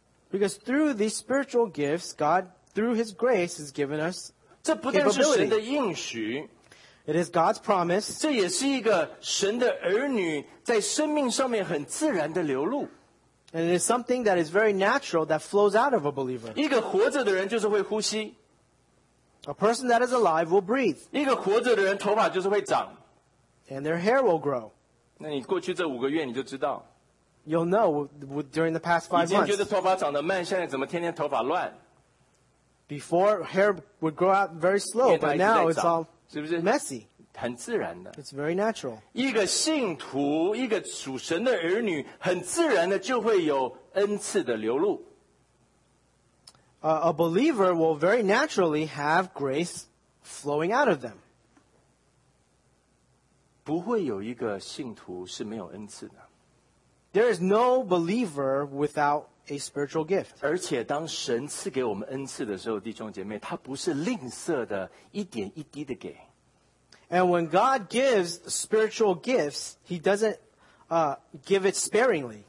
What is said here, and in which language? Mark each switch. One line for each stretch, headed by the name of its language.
English: Because through these spiritual gifts, God, through His grace, has given us
Chinese: 这不但是神的应许,
English: it is God's promise.
Chinese: 这也是一个神的儿女在生命上面很自然的流露。
English: And it is something that is very natural that flows out of a believer.
Chinese: 一个活着的人就是会呼吸。
English: A person that is alive will breathe.
Chinese: 一个活着的人头发就是会长。
English: And their hair will grow.
Chinese: 那你过去这五个月你就知道。
English: You'll know during the past 5 months.
Chinese: 以前觉得头发长得慢, 现在怎么天天头发乱。
English: Before, hair would grow out very slow, but now it's all messy.
Chinese: 很自然的,
English: it's very natural.
Chinese: 一个信徒, 一个属神的儿女, 很自然的就会有恩赐的流露。
English: A believer will very naturally have grace flowing out of them.
Chinese: 不会有一个信徒是没有恩赐的。
English: There is no believer without a spiritual gift.
Chinese: 而且当神赐给我们恩赐的时候, 弟兄姐妹, 祂不是吝啬的, 一点一滴的给。
English: And when God gives spiritual gifts, He doesn't give it sparingly.